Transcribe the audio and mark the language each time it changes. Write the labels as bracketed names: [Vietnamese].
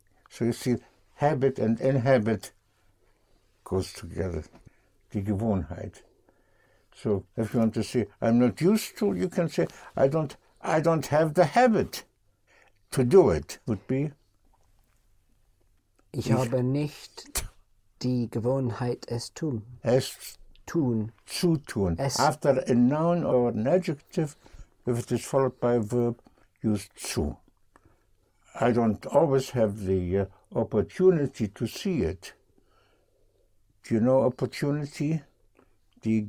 [English] So you see, habit and inhabit goes together. [German] Die Gewohnheit. [English] So if you want to say, I'm not used to, you can say, I don't have the habit to do it, would be. [German] Ich habe nicht die Gewohnheit es tun. Es tun. Zu tun. Es. [English] After a noun or an adjective, if it is followed by a verb, use zu. I don't always have the opportunity to see it. Do you know opportunity? [German] Die